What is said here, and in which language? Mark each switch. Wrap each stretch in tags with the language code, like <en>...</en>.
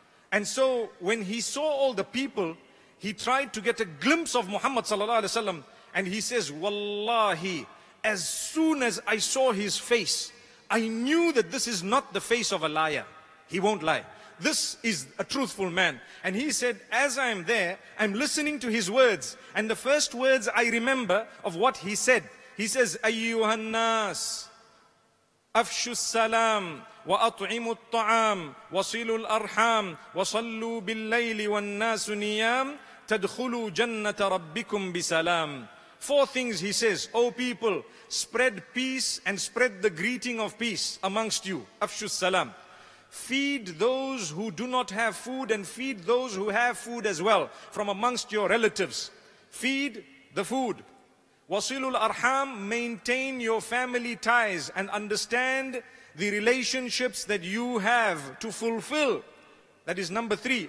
<en>And so when he saw all the people, he tried to get a glimpse of Muhammad sallallahu alaihi wasallam, and he says, wallahi, as soon as I saw his face, I knew that this is not the face of a liar. He won't lie. This is a truthful man. And he said, as I'm there, I'm listening to his words. And the first words I remember of what he said, he says,</en> <ar>أَيُّهَا النَّاسِ أَفْشُ السَّلَامِ وَأَطْعِمُ الطَّعَامِ وَصِلُوا الْأَرْحَامِ وَصَلُّوا بِاللَّيْلِ وَالنَّاسُ نِيَامِ تَدْخُلُوا جَنَّةَ رَبِّكُمْ بِسَلَامِ.</ar> <en>Four things he says, O people, spread peace and spread the greeting of peace amongst you.</en> <ar>Afshus salam.</ar> <en>Feed those who do not have food and feed those who have food as well from amongst your relatives. Feed the food.</en> <ar>Wasilul arham,</ar> <en>maintain your family ties and understand the relationships that you have to fulfill. That is number three.</en>